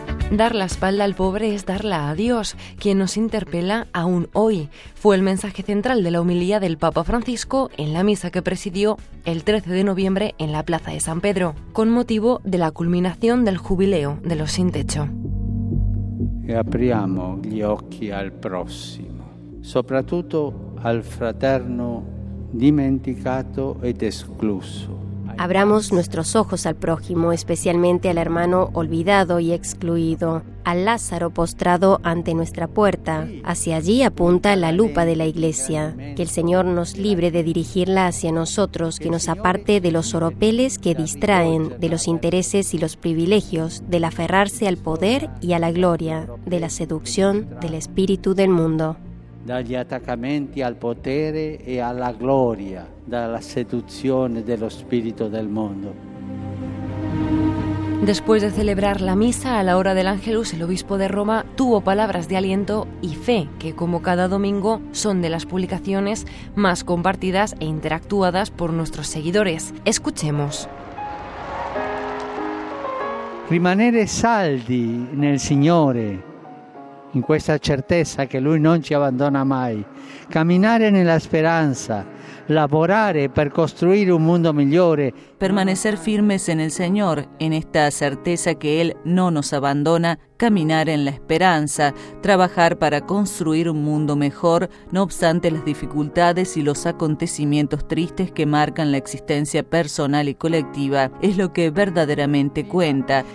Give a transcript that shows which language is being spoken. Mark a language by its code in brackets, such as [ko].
[es] Dar la espalda al pobre es darla a Dios, quien nos interpela aún hoy. Fue el mensaje central de la homilía del Papa Francisco en la misa que presidió el 13 de noviembre en la Plaza de San Pedro, con motivo de la culminación del jubileo de los sin techo. [it] E apriamo gli occhi al prossimo, soprattutto al fraterno dimenticato ed escluso. [es] Abramos nuestros ojos al prójimo, especialmente al hermano olvidado y excluido, al Lázaro postrado ante nuestra puerta. Hacia allí apunta la lupa de la Iglesia. Que el Señor nos libre de dirigirla hacia nosotros, que nos aparte de los oropeles que distraen, de los intereses y los privilegios, del aferrarse al poder y a la gloria, de la seducción del espíritu del mundo. [it] Dagli attaccamenti al potere e alla gloria, dalla seduzione dello spirito del mondo. [es] Después de celebrar la misa a la hora del Ángelus, el obispo de Roma tuvo palabras de aliento y fe, que como cada domingo son de las publicaciones más compartidas e interactuadas por nuestros seguidores. Escuchemos. [it] Rimanere saldi nel Signore. In questa certezza che Lui non ci abbandona mai, camminare nella speranza, lavorare per costruire un mundo migliore. [es] Permanecer firmes en el Señor, en esta certeza que Él no nos abandona, caminar en la esperanza, trabajar para construir un mundo mejor, no obstante las dificultades y los acontecimientos tristes que marcan la existencia personal y colectiva, es lo que verdaderamente cuenta.